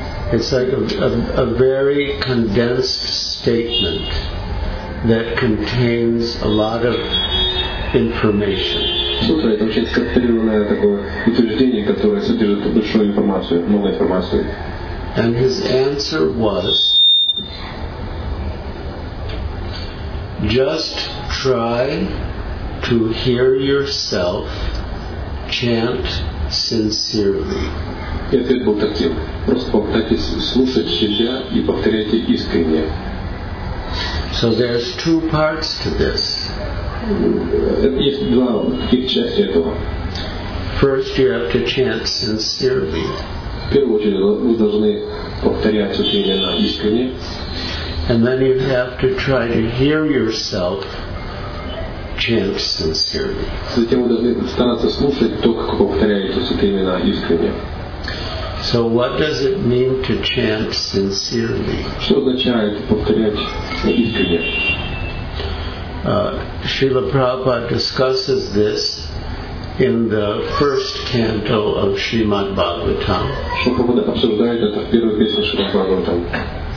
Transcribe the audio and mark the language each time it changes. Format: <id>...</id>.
<en>It's like a very condensed statement that contains a lot of information.</en> <ru>Сутра — это очень скорректированное такое утверждение, которое содержит большую информацию, много информации.</ru> <en>And his answer was, just try to hear yourself chant sincerely.</en> <ru>И ответ был таким. Просто попытайтесь слушать себя и повторяйте искренне.</ru> <en>So there's two parts to this.</en> <ru>Есть два таких части этого.</ru> <en>First, you have to chant sincerely.</en> <ru>В первую очередь вы должны повторять учение искренне.</ru> <en>And then you have to try to hear yourself chant sincerely.</en> <ru>Затем вы должны стараться слушать то, как повторяете именно искренне.</ru> <en>So what does it mean to chant sincerely?</en> <ru>Что означает повторять искренне?</ru> <en>Srila Prabhupada discusses this in the first canto of Srimad Bhagavatam.</en> <ru>Srila Prabhupada обсуждает это в первой песне Srila Prabhupada.</ru>